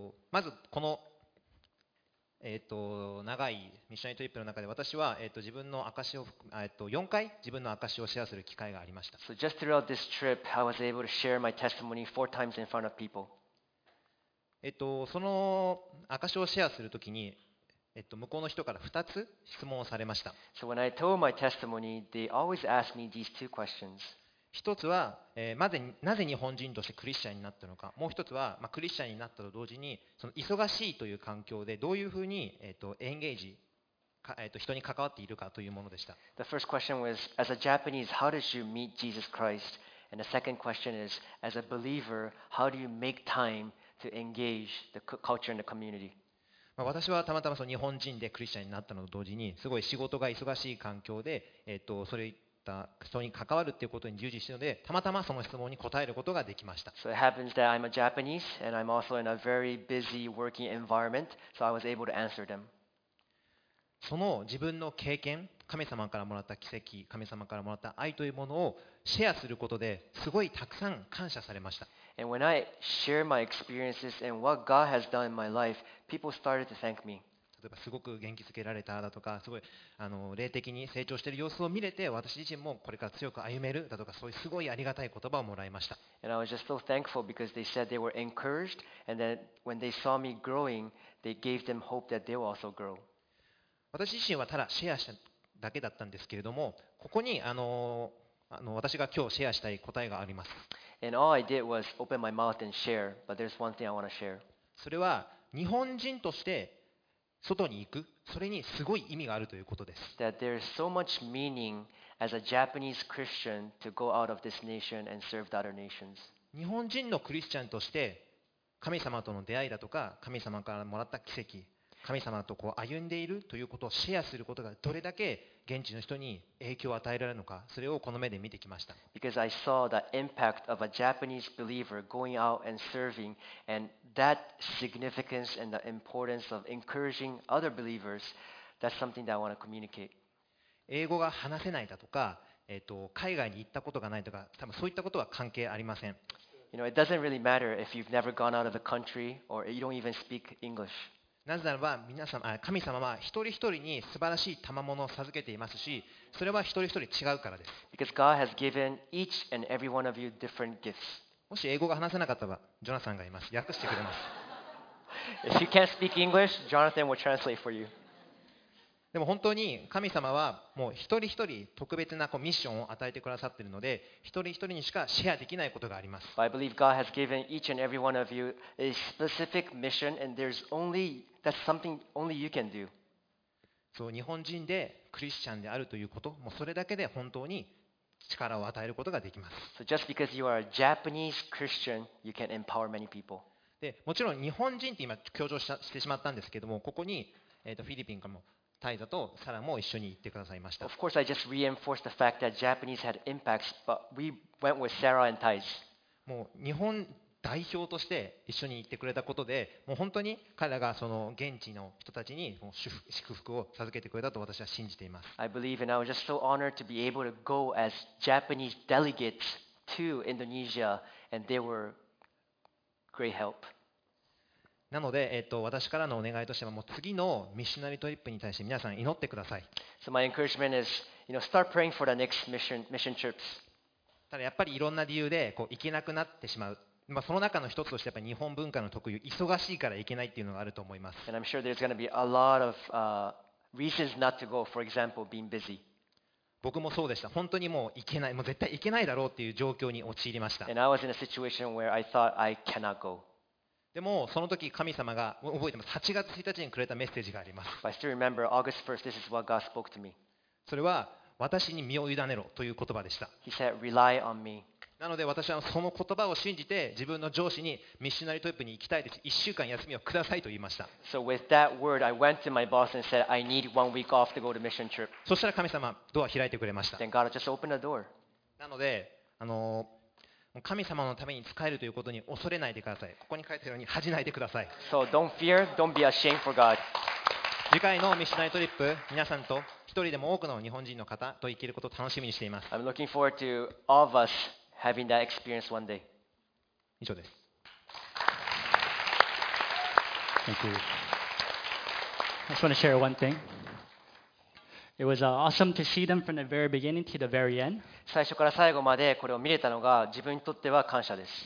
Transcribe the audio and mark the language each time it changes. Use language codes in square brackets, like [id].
[ja] まずこの長いミッショントリップの中で、私は自分の証を4回自分の証をシェアする機会がありました。 [en] So just throughout this trip, I was able to share my testimony four times in front of people. [ja] その証をシェアするときに、向こうの人から2つ質問をされました。 [en] So when I told my testimony, they always ask me these two questions. [ja] 一つは、なぜ日本人としてクリスチャンになったのか、もう一つは、クリスチャンになったと同時にその忙しいという環境でどういうふうに、エンゲージ、人に関わっているかというものでした。 [en] The first question was, as a Japanese, how did you meet Jesus Christ? And the second question is, as a believer, how do you make time to engage the culture and the community? [ja] 私はたまたまその日本人でクリスチャンになったのと同時に、すごい仕事が忙しい環境で、それ人に関わるということに従事しているので、たまたまその質問に答えることができました。 [en] So it happens that I'm a Japanese and I'm also in a very busy working environment, so I was able to answer them. [ja] その自分の経験、神様からもらった奇跡、神様からもらった愛というものをシェアすることで、すごいたくさん感謝されました。 [en] And when I share my experiences and what God has done in my life, people started to thank me. [ja] 例えばすごく元気づけられただとか、すごい霊的に成長している様子を見れて、私自身もこれから強く歩めるだとか、そういうすごいありがたい言葉をもらいました。 [en] And I was just so thankful because they said they were encouraged, and that when they saw me growing, they gave them hope that they will also grow. [ja] 私自身はただシェアしただけだったんですけれども、ここに私が今日シェアしたい答えがあります。 [en] And all I did was open my mouth and share, but there's one thing I want to share. [ja] それは日本人として外に行く、それにすごい意味があるということです。 [en] That there's so much meaning as a Japanese Christian to go out of this nation and serve other nations. [ja] 日本人のクリスチャンとして神様との出会いだとか、神様からもらった奇跡、神様とこう歩んでいるということをシェアすることがどれだけ現地の人に影響を与えられるのか、それをこの目で見てきました。 [en] Because I saw the impact of a Japanese believer going out and serving, and that significance and the importance of encouraging other believers, that's something that I want to communicate. [ja] 英語が話せないだとか、海外に行ったことがないとか、多分そういったことは関係ありません。 [en] You know, it doesn't really matter if you've never gone out of the country or you don't even speak English. [ja] なぜならば神様は一人一人に素晴らしい賜物を授けていますし、それは一人一人違うからです。 [en] Because God has given each and every one of you different gifts. [ja] もし英語が話せなかったらジョナサンがいます。訳してくれます。 [en] If you can't speak English, Jonathan will translate for you. [ja] でも本当に神様はもう一人一人特別なミッションを与えてくださっているので、一人一人にしかシェアできないことがあります。 [en] I believe God has given each and every one of you a specific mission, and there's onlyThat's something only you can do. [ja] そう、日本人でクリスチャンであるということ、もうそれだけで本当に力を与えることができます。 [en] So just because you are a Japanese Christian, you can empower many people. [ja] で、もちろん日本人って今強調してしまったんですけども、ここに、フィリピンからもタイだとサラも一緒に行ってくださいました。 [en] Of course, I just reinforced the fact that Japanese had impacts, but we went with Sarah and Thais. [ja] もう日本代表として一緒に行ってくれたことで、もう本当に彼らがその現地の人たちに祝福を授けてくれたと私は信じています。 [en] I believe and I was just so honored to be able to go as Japanese delegates to Indonesia, and they were great help. [ja] なので、私からのお願いとしては、もう次のミッショナリートリップに対して皆さん祈ってください。 [en] So my encouragement is, you know, start praying for the next mission trips. [ja] ただやっぱりいろんな理由でこう行けなくなってしまう。まあ、その中の一つとしてやっぱり日本文化の特有、忙しいから行けないっていうのがあると思います。 [en] And I'm sure there's going to be a lot of reasons not to go. For example, being busy. [ja] 僕もそうでした。本当にもう行けない、もう絶対行けないだろうっていう状況に陥りました。 [en] And I was in a situation where I thought I cannot go. [ja] でもその時神様が、覚えてます、8月1日にくれたメッセージがあります。 [en] But I still remember August 1st, this is what God spoke to me. [ja] それは私に身を委ねろという言葉でした。 [en] He said, rely on me. [ja] なので私はその言葉を信じて、自分の上司にミッショナリートリップに行きたいです、1週間休みをくださいと言いました。 [en] So with that word, I went to my boss and said, I need one week off to go to mission trip. [ja] そしたら神様ドア開いてくれました。 [en] Then God just opened the door. [ja] なので神様のために使えるということに恐れないでください。ここに書いてあるように恥じないでください。 [en] So don't fear, don't be ashamed for God. [ja] 次回のミッショナリートリップ、皆さんと一人でも多くの日本人の方と行けることを楽しみにしています。 [en] I'm looking forward to all of us. Having that experience one day. [ja] 以上です。 [en] Thank you. I just want to share one thing. It was awesome to see them from the very beginning to the very end. [ja] 最初から最後までこれを見れたのが自分にとっては感謝です。